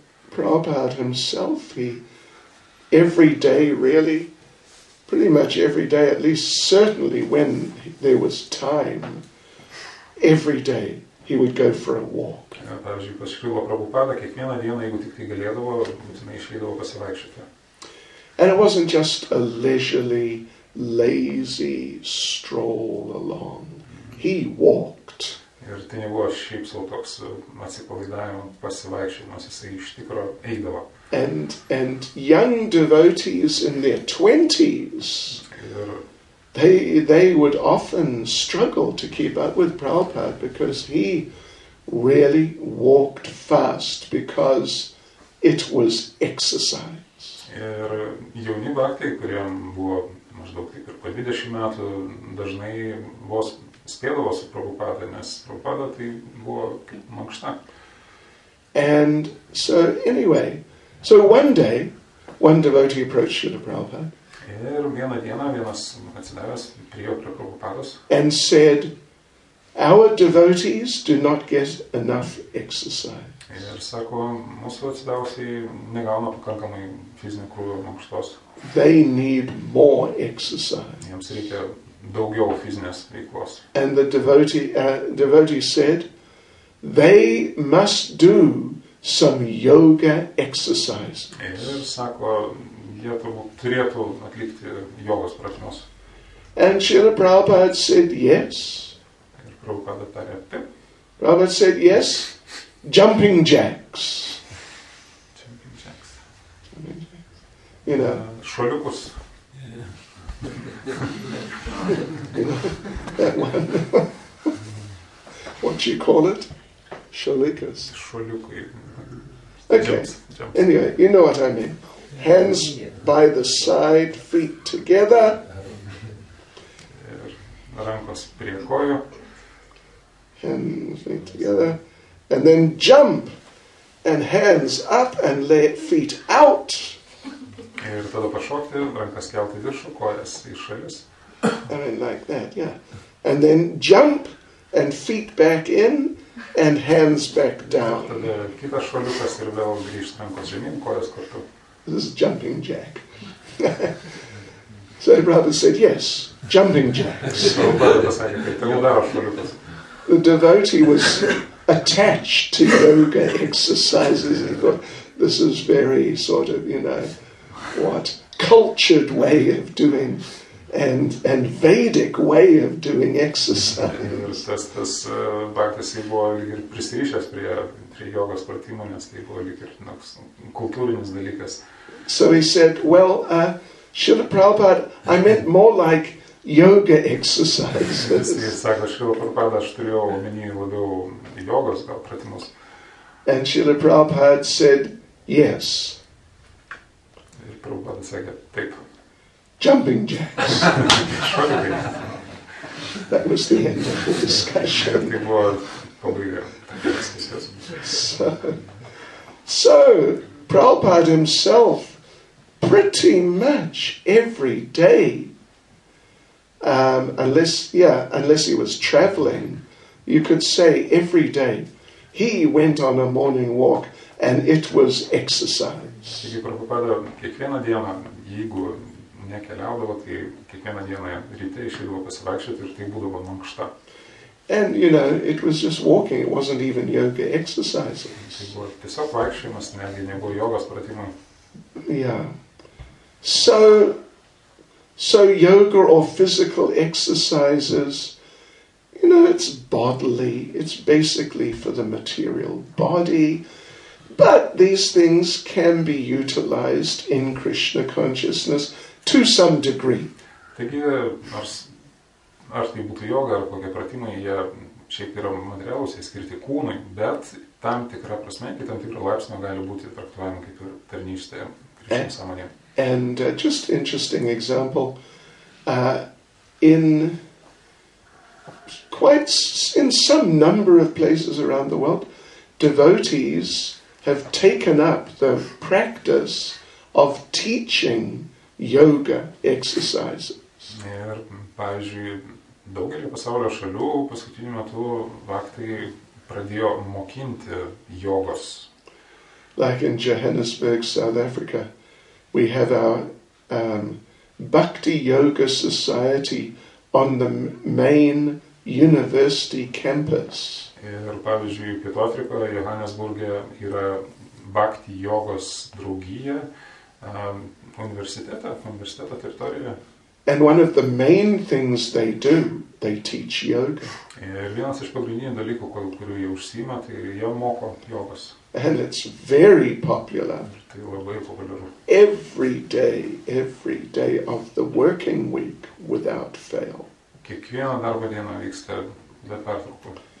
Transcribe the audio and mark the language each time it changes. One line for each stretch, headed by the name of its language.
English: Prabhupada himself, he every day really, pretty much every day, at least certainly when there was time, every day he would go for a walk.
Lithuanian: Pavyzdžiui, pasikliuvo Prabhupada, kiekvieną dieną, jeigu tik tai galėdavo, būtinai išeidavo pasivaikščioti.
English: And it wasn't just a leisurely, lazy stroll along. He walked.
Lithuanian: Ir tai nebuvo šiaip sau toks atsipalaidavimo pasivaikščiojimas, jisai iš tikro eidavo.
English: And young devotees in their 20s, they would often struggle to keep up with Prabhupada because he really walked fast because it was exercise.
Lithuanian: Ir jauni bhaktai, kuriam buvo maždaug taip ir po 20 metų, dažnai vos spėdavo su Prabhupada, nes Prabhupada tai buvo kaip mankšta.
English: And so anyway, so one day, one devotee approached Srila Prabhupada.
Lithuanian: Ir vieną dieną vienas atsidavęs priėjo prie Prabhupados.
English: And said, our devotees do not get enough exercise.
Lithuanian: Ir sako, mūsų atsidavusiai negauna pakankamai fizinio krūvio mankštos.
English: They need more exercise.
Lithuanian: Jiems reikia daugiau fizinės veiklos.
English: And the devotee said, they must do some yoga exercises.
Lithuanian: Ir sako, jie turėtų atlikti jogos pratimus.
English: And Srila Prabhupada said, yes.
Lithuanian: Ir Prabhupada tarė, taip.
English: Prabhupada said, yes. Jumping jacks. Jumping jacks. You know.
Lithuanian: Šuoliukus.
English: What do you call it? Šuoliukus.
Lithuanian: Šuoliukai.
English: Okay. Jumps. Anyway, you know what I mean. Hands by the side, feet together.
Lithuanian: Rankos prie kojų.
English: Hands, feet together. And then jump, and hands up, and lay feet out.
Lithuanian: Ir tada pašokti, rankas kelti viršų, kojas į šalis.
English: I mean, like that, yeah. And then jump, and feet back in, and hands back down.
Lithuanian: Tada kitas šuoliukas ir vėl grįžt rankos žemyn, kojas kartu.
English: This is jumping jack. So the brother said, yes, jumping jacks. The devotee was attached to yoga exercises. He thought, this is very sort of, you know, what, cultured way of doing and Vedic way of doing exercise.
Lithuanian: Tas baktas jį buvo ir prisirišęs prie jogos pratimo, nes tai buvo lyg ir kultūrinis dalykas.
English: So he said, well, Srila Prabhupada, I meant more like yoga exercises.
Lithuanian: Jis sako, Srila Prabhupada, aš turėjau omeny labiau jogos gal pratimus.
English: And Srila Prabhupada said, yes.
Lithuanian: Ir Prabhupada sakė, taip.
English: Jumping jacks.
Lithuanian: Šuoliukai.
English: That was the end of the discussion.
Lithuanian: Tai buvo pabaiga.
English: So, Prabhupada himself, pretty much every day, unless he was traveling, you could say every day he went on a morning walk and it was exercise.
Lithuanian: Taigi Prabhupada kiekvieną dieną, jeigu nekeliaudavo, tai kiekvieną dieną ryte išėdavo pasivaikščioti ir tai būdavo mankšta.
English: And you know, it was just walking, it wasn't even yoga exercises.
Lithuanian: Tai buvo tiesiog vaikščiojimas, netgi nebuvo jogos pratimai.
English: Yeah. So yoga or physical exercises, you know, it's bodily, it's basically for the material body, but these things can be utilized in Krishna consciousness to some degree.
Lithuanian: Taigi, nors ar tai būtų joga, ar kokie pratimai, jie šiaip yra materialūs, jie skirti kūnui, bet tam tikra prasme, kai tam tikro laipsnio gali būti traktuojama kaip ir tarnystė krikščionių sąmonėje.
English: And just interesting example, in some number of places around the world, devotees have taken up the practice of teaching yoga exercises.
Lithuanian: Ir, pavyzdžiui, daugelio pasaulio šalių paskutiniu metu vaktai pradėjo mokinti jogos.
English: Like in Johannesburg, South Africa, we have our Bhakti Yoga Society on the main university campus.
Lithuanian: Ir, pavyzdžiui, Pietų Afrikoje, Johannesburge, yra Bhakti Jogos draugija, universiteto teritorijoje.
English: And one of the main things they do, they teach yoga.
Lithuanian: Ir vienas iš pagrindinių dalykų, kurių jie užsiima, tai jie moko jogos.
English: And it's very popular.
Lithuanian: Tai labai populiaru.
English: Every day of the working week, without fail.
Lithuanian: Kiekvieną darbo dieną vyksta be pertraukų.